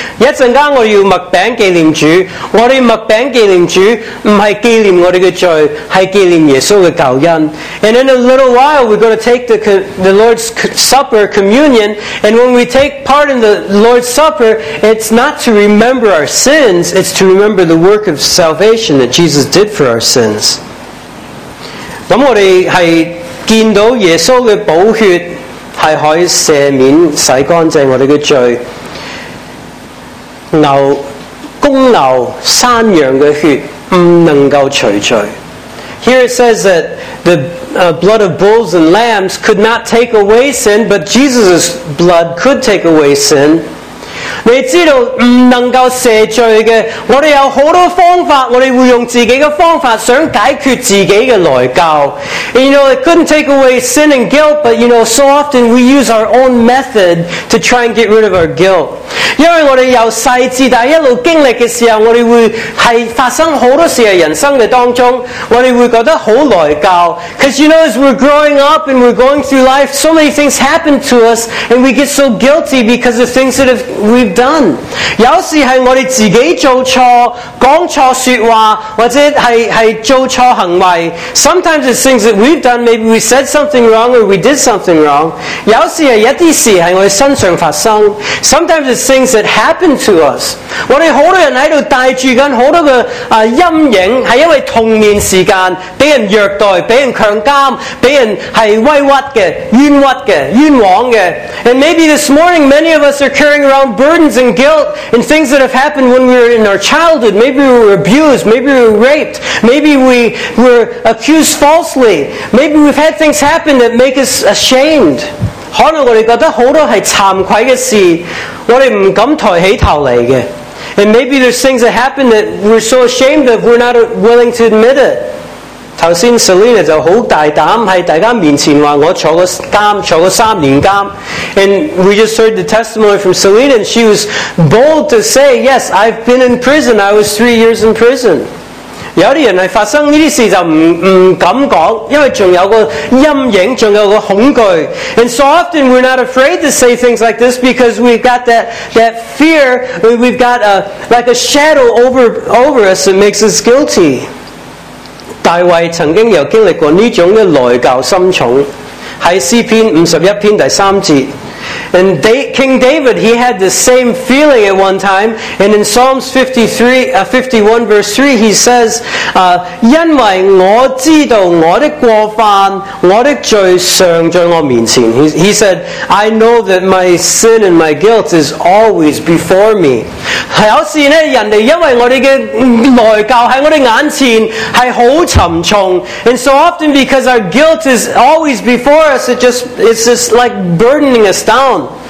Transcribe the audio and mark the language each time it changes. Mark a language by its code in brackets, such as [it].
[yue] 一阵间我们要默饼纪念主我们默饼纪念主不是纪念我们的罪是纪念耶稣的救恩 [en] And in a little while we're going to take the Lord's Supper communion and when we take part in the Lord's Supper it's not to remember our sins it's to remember the work of salvation that Jesus did for our sins. [yue] 我们是见到耶稣的宝血是可以赦免洗干净我们的罪牛公牛山羊的血不能够除罪 [en] Here it says that the blood of bulls and lambs could not take away sin but Jesus' blood could take away sin [yue] 你知道不能够赦罪的我们有很多方法我们会用自己的方法想解决自己的内疚 [en] and, you know it couldn't take away sin and guilt but you know so often we use our own method to try and get rid of our guilt [yue] 因为我们由细至大一路经历的时候我们会是发生很多事在人生的当中我们会觉得很内疚 [en] because you know as we're growing up and we're going through life so many things happen to us and we get so guilty because of things that have we've done. [yue] 有时是我们自己做错，讲错说话，或者 是做错行为。 [en] Sometimes it's things that we've done. Maybe we said something wrong or we did something wrong. [yue] 有时是一些事在我们身上发生。 [en] Sometimes it's things that happen to us. [yue] 我们很多人在这里带着很多的阴影，是因为童年时间被人虐待，被人强奸，被人是威屈的，冤屈的，冤枉的。 [en] And maybe this morning many of us are carrying around burdens and guilt and things that have happened when we were in our childhood. Maybe we were abused, maybe we were raped, maybe we were accused falsely, maybe we've had things happen that make us ashamed. [yue] 可能我们觉得很多是惭愧的事，我们不敢抬起头来的。 [en] And maybe there's things that happen that we're so ashamed of, we're not willing to admit it. [yue] 刚才 Selena 就很大胆在大家面前说我坐过监，坐过三年监。 [en] And we just heard the testimony from Selena, and she was bold to say, yes, I've been in prison, I was 3 years in prison. [yue] 有些人是发生这些事就 不敢说，因为还有个阴影，还有个恐惧。 [en] And so often we're not afraid to say things like this because we've got that fear, we've got like a shadow over us that makes us guilty. [yue] 大卫曾经有经历过这种的内疚深重，在诗篇51篇第三节。 [en] And King David, he had the same feeling at one time, and in Psalms 51 verse 3, he says, [yue] 因为我知道我的过犯，我的罪常在我面前。 [en] He said, I know that my sin and my guilt is always before me. [yue] 有时呢，人家因为我们的内疚在我们眼前是很沉重。 [en] And so often because our guilt is always before us, it's just like burdening us down.